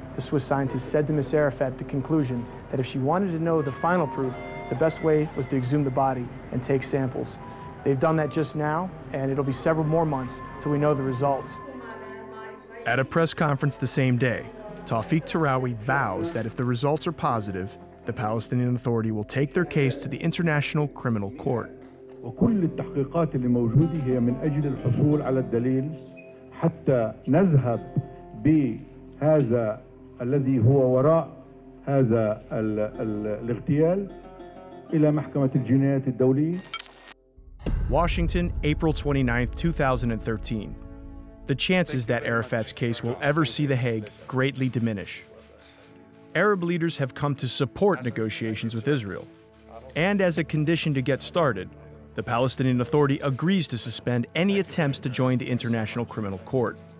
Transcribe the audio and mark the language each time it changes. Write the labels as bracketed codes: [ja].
[en] The Swiss scientist said to Miss Arafat at the conclusion that if she wanted to know the final proof, the best way was to exhume the body and take samples. They've done that just now, and it'll be several more months till we know the results. At a press conference the same day, Tawfiq Tarawi vows that if the results are positive, the Palestinian Authority will take their case to the International Criminal Court. [ar] وكل التحقيقات اللي موجودة هي من أجل الحصول على الدليل حتى نذهب بهذا الذي هو وراء هذا الاغتيال إلى محكمة الجنايات الدولية. [en] Washington, April 29th, 2013. The chances that Arafat's case will ever see The Hague greatly diminish. Arab leaders have come to support negotiations with Israel. And as a condition to get started, the Palestinian Authority agrees to suspend any attempts to join the International Criminal Court.